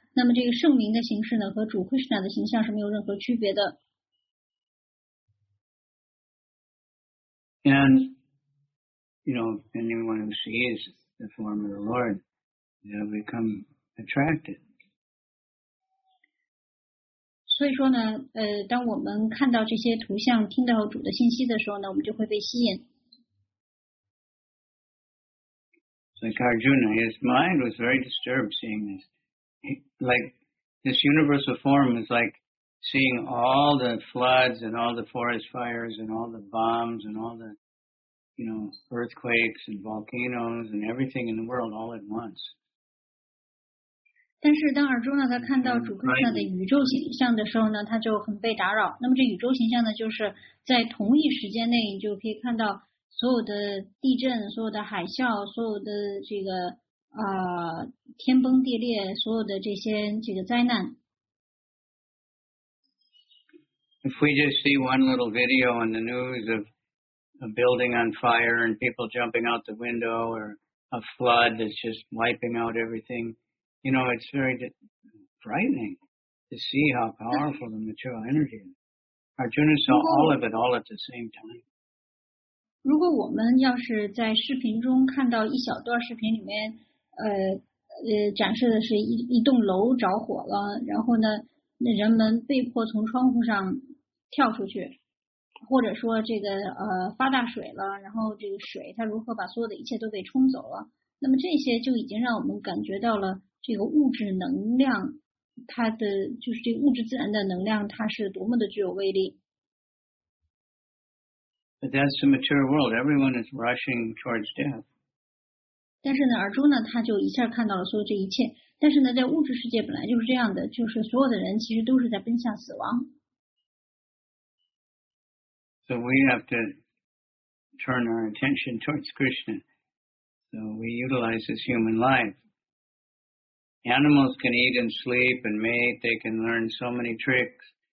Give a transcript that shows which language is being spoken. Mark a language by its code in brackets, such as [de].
[zh] 那么这个圣名的形式呢，和主 Krishna 的形象是没有任何区别的。 [en] And, you know, anyone who sees the form of the Lord, they'll become attracted. [zh] 所以说呢，当我们看到这些图像、听到主的信息的时候呢，我们就会被吸引。 [en] Like Arjuna, his mind was very disturbed seeing this. Like this universal form is like seeing all the floods and all the forest fires and all the bombs and all the, you know, earthquakes and volcanoes and everything in the world all at once. [zh] 但是当尔朱娜他看到主克里斯那的宇宙形象的时候呢，他就很被打扰。那么这宇宙形象呢，就是在同一时间内，你就可以看到所有的地震、所有的海啸、所有的这个天崩地裂、所有的这些这个灾难。 [en] If we just see one little video on the news of a building on fire and people jumping out the window or a flood that's just wiping out everything. You know, it's very frightening to see how powerful the material energy is. Arjuna saw all of it all at the same time. [zh] 如果我们要是在视频中看到一小段视频里面，展示的是一栋楼着火了，然后呢，那人们被迫从窗户上跳出去，或者说这个发大水了，然后这个水它如何把所有的一切都给冲走了，那么这些就已经让我们感觉到了。这个物质能量，它的就是这个物质自然的能量，它是多么的具有威力。 [en] But that's the material world. Everyone is rushing towards death. [zh] 但是呢，尔朱呢，他就一下看到了所有这一切。但是呢，在物质世界本来就是这样的，就是所有的人其实都是在奔向死亡。 [en] So we have to turn our attention towards Krishna, So we utilize this human life. Animals can eat and sleep and mate. They can learn so many tricks.